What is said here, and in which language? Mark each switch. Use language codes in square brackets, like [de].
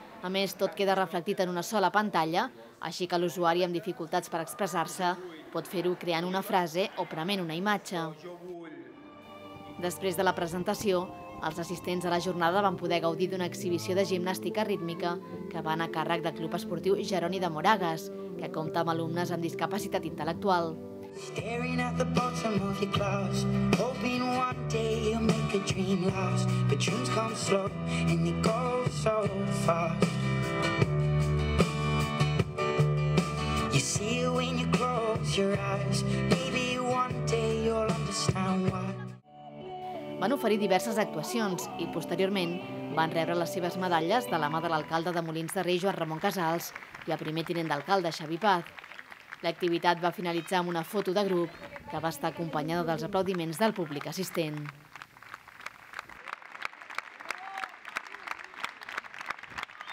[ca] A més, tot queda reflectit en una sola pantalla, així que l'usuari amb dificultats per expressar-se pot fer-ho creant una frase o prement una imatge. Després de la presentació, els assistents a la jornada van poder gaudir d'una exhibició de gimnàstica rítmica que va anar a càrrec del Club Esportiu Jeroni de Moragues, que compta amb alumnes amb discapacitat intel·lectual. [en] Staring at the bottom of your glass, hoping one day you'll make a dream last. But dreams come slow and they go so fast. You see it when you close your eyes. Maybe one day you'll understand why. [ca] Van oferir diverses actuacions i, posteriorment, van rebre les seves medalles de la mà de l'alcalde de Molins de Rei, Joan Ramon Casals, i el primer tinent d'alcalde, Xavi Paz. L'activitat va finalitzar amb una foto de grup que va estar acompanyada dels aplaudiments del públic assistent.